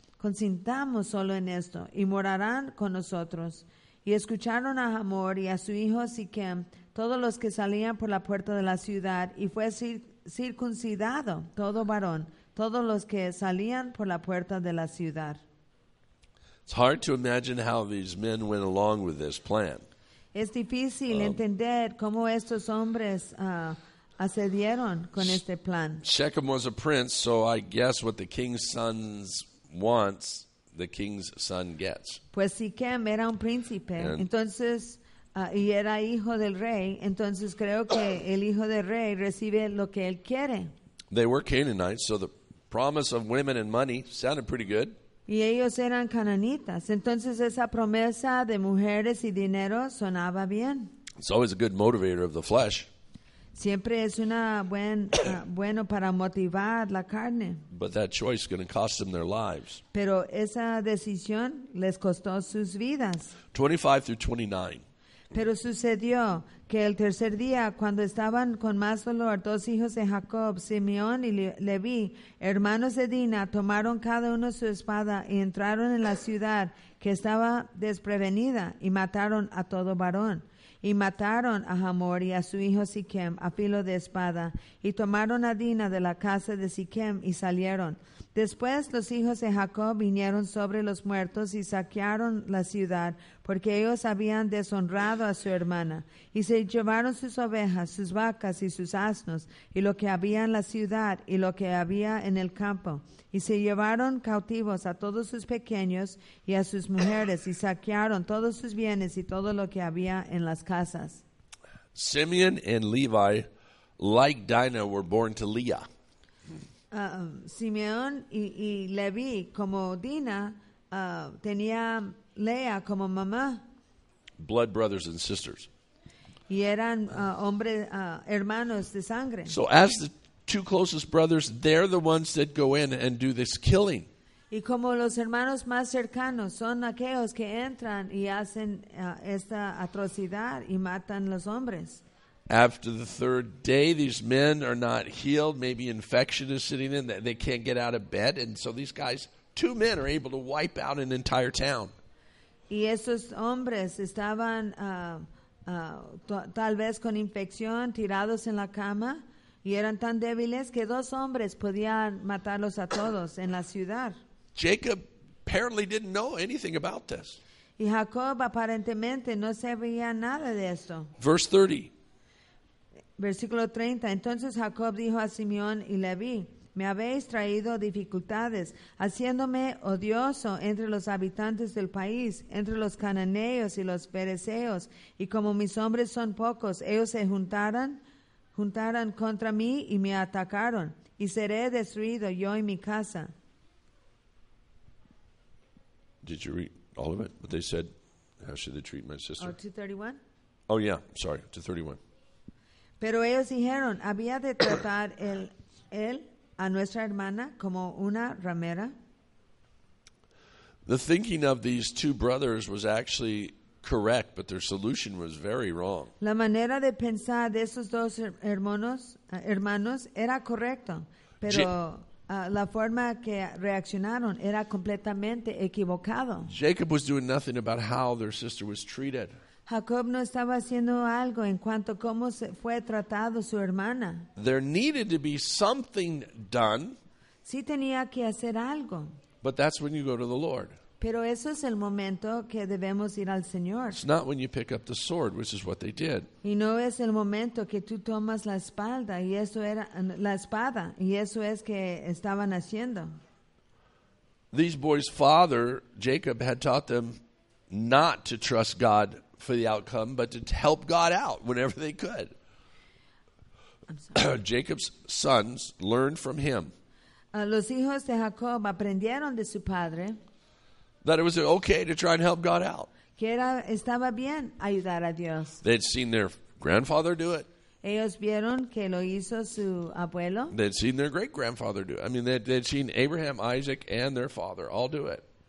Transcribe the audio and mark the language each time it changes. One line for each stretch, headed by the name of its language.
Spanish: Consintamos solo en esto y morarán con nosotros. Y escucharon a Hamor y a su hijo Siquem, todos los que salían por la puerta de la ciudad, y fue circuncidado todo varón, todos los que salían por la puerta de la ciudad.
English: It's hard to imagine how these men went along with this plan.
Spanish: Es difícil entender cómo estos hombres accedieron con este plan.
English: Shechem was a prince, so I guess what the king's sons wants, the king's son gets.
Spanish: Pues Siquem era un príncipe, entonces y era hijo del rey, entonces creo que el hijo del rey recibe lo que él quiere.
English: They were Canaanites, so the promise of women and money sounded pretty good.
Spanish: Y ellos eran cananitas, entonces esa promesa de mujeres y dinero sonaba bien.
English: It's always a good motivator of the flesh.
Spanish: Siempre es una bueno para motivar la carne.
English: But that choice is going to cost them their lives.
Spanish: Pero esa decisión les costó sus vidas.
English: 25-29.
Spanish: Pero sucedió que el tercer día, cuando estaban con más dolor, dos hijos de Jacob, Simeón y Leví, hermanos de Dina, tomaron cada uno su espada y entraron en la ciudad que estaba desprevenida y mataron a todo varón. Y mataron a Hamor y a su hijo Siquem a filo de espada y tomaron a Dina de la casa de Siquem y salieron. Después los hijos de Jacob vinieron sobre los muertos y saquearon la ciudad porque ellos habían deshonrado a su hermana. Y se llevaron sus ovejas, sus vacas y sus asnos y lo que había en la ciudad y lo que había en el campo. Y se llevaron cautivos a todos sus pequeños y a sus mujeres y saquearon todos sus bienes y todo lo que había en las casas.
English: Simeon and Levi, like Dinah, were born to Leah.
Spanish: Simeón y Leví como Dina tenía Lea como mamá.
English: Blood brothers and sisters.
Spanish: Y eran hombres hermanos de sangre.
English: So as the two closest brothers, they're the ones that go in and do this killing.
Spanish: Y como los hermanos más cercanos son aquellos que entran y hacen esta atrocidad y matan los hombres.
English: After the third day, these men are not healed. Maybe infection is sitting in. They can't get out of bed. And so these guys, two men, are able to wipe out an entire town.
Spanish: Y esos hombres estaban tal vez con infección, tirados en la cama. Y eran tan débiles que dos hombres podían matarlos a todos en la ciudad.
English: Jacob apparently didn't know anything about this.
Spanish: Y Jacob aparentemente no sabía nada de esto.
English: Verse 30.
Spanish: Versículo 30, entonces Jacob dijo a Simeón y Leví, me habéis traído dificultades, haciéndome odioso entre los habitantes del país, entre los cananeos y los fereceos, y como mis hombres son pocos, ellos se juntaran contra mí y me atacaron, y seré destruido yo y mi casa.
English: Did you read all of it? But they said, how should they treat my sister? Oh, 231? Oh, yeah, sorry, 231.
Spanish: Pero ellos dijeron, ¿había de tratar él a nuestra hermana como una ramera?
English: The thinking of these two brothers was actually correct, but their solution was very wrong.
Spanish: La manera de pensar de esos dos hermanos era correcto, pero la forma que reaccionaron era completamente equivocado.
English: Jacob was doing nothing about how their sister was treated.
Spanish: Jacob no estaba haciendo algo en cuanto a cómo fue tratado su hermana.
English: There needed to be something done.
Spanish: Sí tenía que hacer algo.
English: But that's when you go to the Lord.
Spanish: Pero eso es el momento que debemos ir al Señor.
English: It's not when you pick up the sword, which is what they did.
Spanish: Y no es el momento que tú tomas la espada y eso es que estaban haciendo.
English: These boys' father, Jacob, had taught them not to trust God for the outcome, but to help God out whenever they could. Jacob's sons learned from him.
Spanish: Los hijos de Jacob aprendieron de su padre.
English: That it was okay to try and help God out.
Spanish: Que era, estaba bien ayudar a Dios.
English: They'd seen their grandfather do it.
Spanish: Ellos vieron que lo hizo su abuelo.
English: They'd seen their great-grandfather do it. I mean, they'd seen Abraham, Isaac, and their father all do it.